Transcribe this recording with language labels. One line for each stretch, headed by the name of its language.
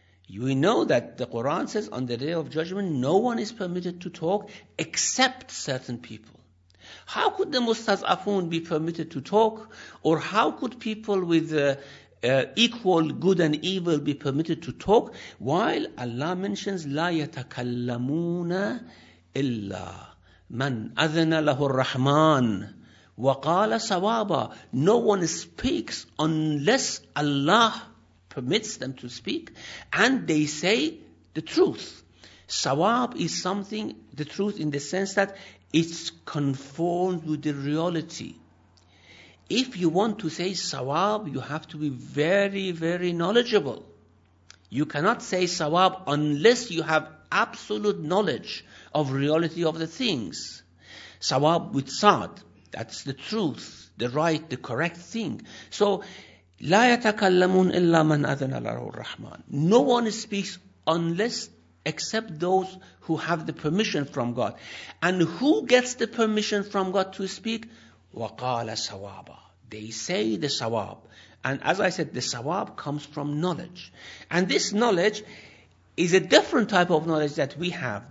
English: We know that the Quran says on the Day of Judgment, no one is permitted to talk except certain people. How could the Mustaz'afun be permitted to talk? Or how could people with equal good and evil be permitted to talk? While Allah mentions,
Arabic: لا يتكلمون إلا من أذن له الرحمن وقال صوابا.
English: No one speaks unless Allah permits them to speak, and they say the truth. Sawab is something, the truth in the sense that it's conformed with the reality. If you want to say sawab, you have to be very, very knowledgeable. You cannot say sawab unless you have absolute knowledge of reality of the things. Sawab with sa'd, that's the truth, the right, the correct thing.
Arabic: So, لا يتكلمون إلا من أذن له الرحمن.
English: No one speaks unless, except those who have the permission from God. And who gets the permission from God to speak?
Arabic: وَقَالَ سَوَابًا.
English: They say the sawab. And as I said, the sawab comes from knowledge. And this knowledge is a different type of knowledge that we have.